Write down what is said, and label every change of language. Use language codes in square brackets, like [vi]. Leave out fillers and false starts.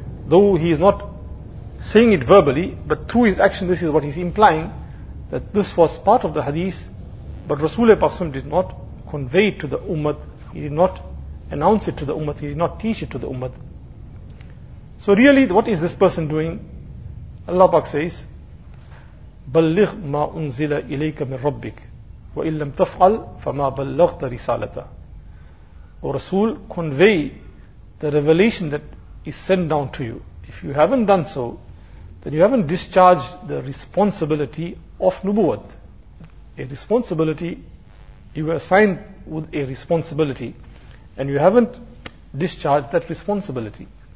[en] Though he is not saying it verbally, but through his action, this is what he's implying, that this was part of the hadith, but Rasulullah Pak Sallallahu Alaihi Wasallam did not convey it to the ummah. He did not announce it to the ummah. He did not teach it to the ummah. So really, what is this person doing? Allah Pak says, [ar] بَلِّغْ مَا أُنزِلَ إِلَيْكَ مِنْ رَبِّكَ وَإِنْ لَمْ تَفْعَلْ فَمَا بَلَّغْتَ رِسَالَتَ. [en] O Rasul, convey the revelation that is sent down to you. If you haven't done so, then you haven't discharged the responsibility of nubuwwat. A responsibility, you were assigned with a responsibility, and you haven't discharged that responsibility.